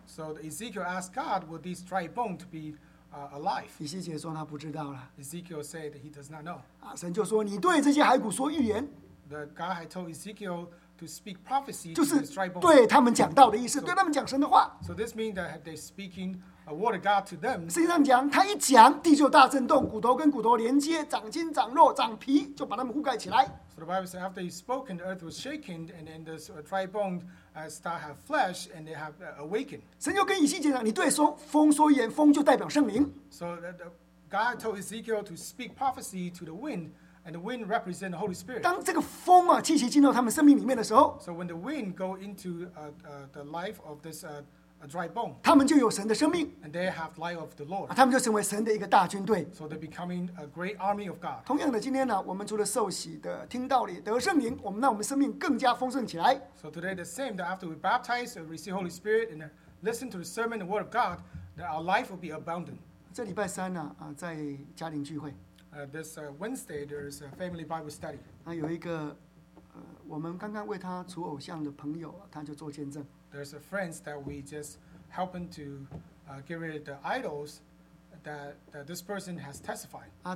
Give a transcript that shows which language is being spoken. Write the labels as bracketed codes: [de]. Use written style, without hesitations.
[en] So the Ezekiel asked God, will these dry bones be alive? [zh] 以西结说他不知道了。 [en] Ezekiel said he does not know. [zh] 神就说你对这些骸骨说预言。 [en] The God had told Ezekiel to speak prophecy to these dry bones. [zh] 就是对他们讲道的意思，对他们讲神的话。 [en] So this means that they speaking a word of God to them. [zh] 圣经上讲，他一讲，地就大震动，骨头跟骨头连接，长筋长肉长皮，就把他们覆盖起来。 [en] So the Bible says after he spoke, the earth was shaken, and then the dry bone start have flesh, and they have awakened. [zh] 神就跟以西结讲，你对说风说言，风就代表圣灵。 [en] So the God told Ezekiel to speak prophecy to the wind, and the wind represent the Holy Spirit. [zh] 当这个风啊气息进到他们生命里面的时候， [en] So when the wind go into the life of this a dry bone, [zh] 他们就有神的生命, [en] and they have life of the Lord. [zh] 他们就成为神的一个大军队, [en] so they're becoming a great army of God. [zh] 同样的，今天呢, 我们除了受洗的听道理得圣灵, 我们让我们生命更加丰盛起来。 [en] So today the same, that after we baptize and receive Holy Spirit and listen to the sermon and word of God, that our life will be abundant. [zh] 这礼拜三呢, 在家庭聚会, [en] this Wednesday there is a family Bible study. [zh] 有一个, 我们刚刚为他除偶像的朋友, 他就做见证。 [en] There's a friend that we just helping to get rid of the idols that this person has testified.